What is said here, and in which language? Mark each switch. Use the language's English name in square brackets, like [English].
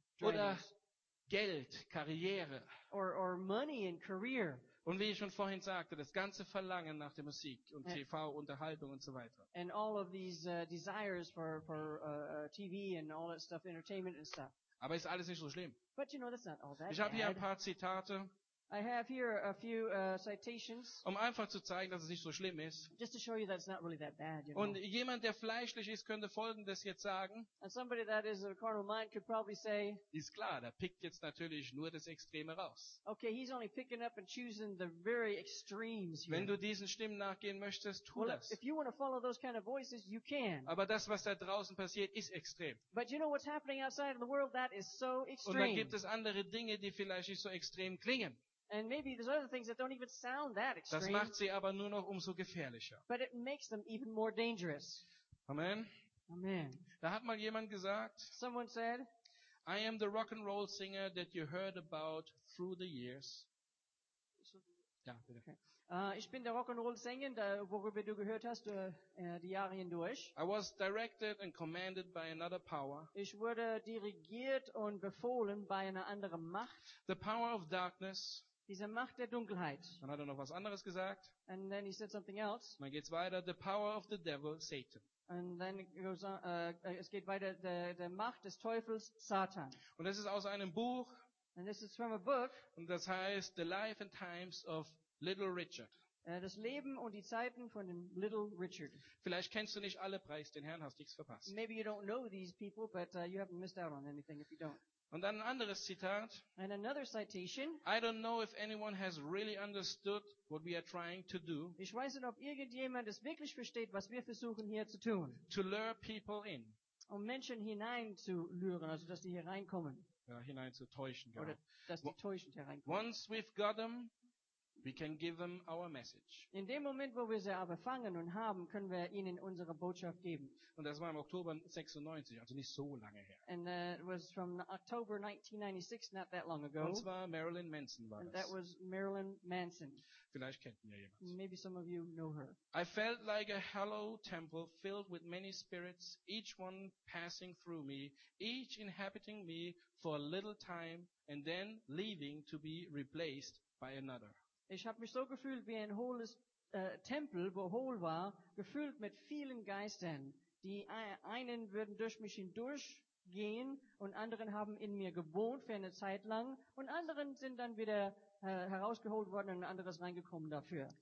[German] Oder Geld, Karriere. [English] Or money and career. [German] Und wie ich schon vorhin sagte, das ganze Verlangen nach der Musik und TV, Unterhaltung und so weiter. [English] And all of these desires for TV and all that stuff, entertainment and stuff. [German] Aber ist alles nicht so schlimm. [English] But you know, that's not all that [German] ich habe hier ein paar Zitate, [English] I have here a few, citations, [German] um einfach zu zeigen, dass es nicht so schlimm ist. [English] Just to show you that it's not really that bad, you [German] und [English] know. [German] Jemand, der fleischlich ist, könnte Folgendes jetzt sagen. [English] And somebody that is a carnal mind could probably say, [German] ist klar, der pickt jetzt natürlich nur das Extreme raus. [English] Okay, he's only picking up and choosing the very extremes here. [German] Wenn du diesen Stimmen nachgehen möchtest, tu [English] well, [German] das. [English] If you want to follow those kind of voices, you can. [German] Aber das, was da draußen passiert, ist extrem. [English] But you know what's happening outside in the world? That is so extreme. [German] Und dann gibt es andere Dinge, die vielleicht nicht so extrem klingen. [English] And maybe there's other things that don't even sound that extreme. [German] Das macht sie aber nur noch umso gefährlicher. [English] But it makes them even more dangerous. [German] Amen. [English] Amen. [German] Da hat mal jemand gesagt, [English] someone said, I am the rock and roll singer that you heard about through the years. [German] So, ja, bitte. Okay. Ich bin der rock and roll Sänger, worüber du gehört hast, die Jahre hindurch. [English] I was directed and commanded by another power. [German] Ich wurde dirigiert und befohlen bei einer anderen Macht. [English] The power of darkness. [German] Diese Macht der Dunkelheit. Dann hat er noch was anderes gesagt. [English] And then he said something else. Dann geht's weiter. The power of the devil, Satan. [German] And then it goes on, es geht weiter. Der Macht des Teufels, Satan. Und das ist aus einem Buch. [English] And this is from a book. [German] Und das heißt The Life and Times of Little Richard. Das Leben und die Zeiten von dem Little Richard. Vielleicht kennst du nicht alle, preis den Herrn, hast nichts verpasst. [English] Maybe you don't know these people, but you haven't missed out on anything if you don't. [German] Und dann ein anderes Zitat. [English] And another citation. I don't know if anyone has really understood what we are trying to do. [German] Ich weiß nicht, ob irgendjemand es wirklich versteht, was wir versuchen hier zu tun. [English] To lure people in. [German] Um Menschen hinein zu lüren, also dass sie hier reinkommen. Ja, hinein zu täuschen. Genau. Oder dass die täuschend hereinkommen. [English] Once we've got them, we can give them our message. [German] In dem Moment, wo wir sie aber fangen und haben, können wir ihnen unsere Botschaft geben. Und das war im Oktober 96, also nicht so lange her. [English] And it was from October 1996, not that long ago. [German] Und zwar Marilyn Manson war [English] and [German] das. [English] That was Marilyn Manson. [German] Vielleicht kennt ihr jemanden. [English] Maybe some of you know her. I felt like a hollow temple filled with many spirits, each one passing through me, each inhabiting me for a little time and then leaving to be replaced by another. [German] Ich habe mich so gefühlt wie ein hohles Tempel, wo hohl war, gefüllt mit vielen Geistern, die einen würden durch mich hindurch gehen und anderen haben in mir gewohnt für eine Zeit lang und anderen sind dann wieder herausgeholt worden und ein anderes reingekommen dafür.